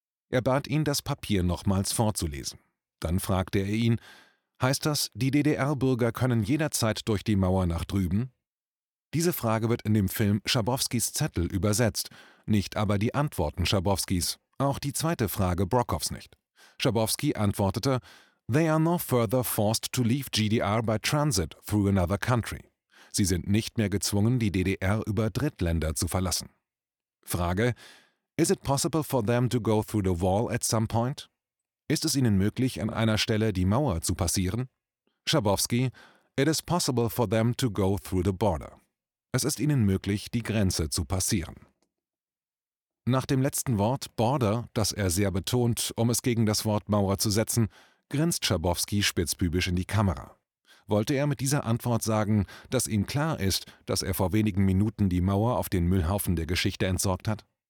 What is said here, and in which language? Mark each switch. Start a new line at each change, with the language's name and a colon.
German: Er bat ihn, das Papier nochmals vorzulesen. Dann fragte er ihn: Heißt das, die DDR-Bürger können jederzeit durch die Mauer nach drüben? Diese Frage wird in dem Film Schabowskis Zettel übersetzt, nicht aber die Antworten Schabowskis, auch die zweite Frage Brakhoffs nicht.
English: Schabowski
German: antwortete:
English: They are no further forced to leave GDR by transit through another country.
German: Sie sind nicht mehr gezwungen, die DDR über Drittländer zu verlassen. Frage:
English: Is it possible for them to go through the wall at some point?
German: Ist es ihnen möglich, an einer Stelle die Mauer zu passieren?
English: Schabowski: It is possible for them to go through the border.
German: Es ist ihnen möglich, die Grenze zu passieren. Nach dem letzten Wort Border, das er sehr betont, um es gegen das Wort Mauer zu setzen, grinst Schabowski spitzbübisch in die Kamera. Wollte er mit dieser Antwort sagen, dass ihm klar ist, dass er vor wenigen Minuten die Mauer auf den Müllhaufen der Geschichte entsorgt hat?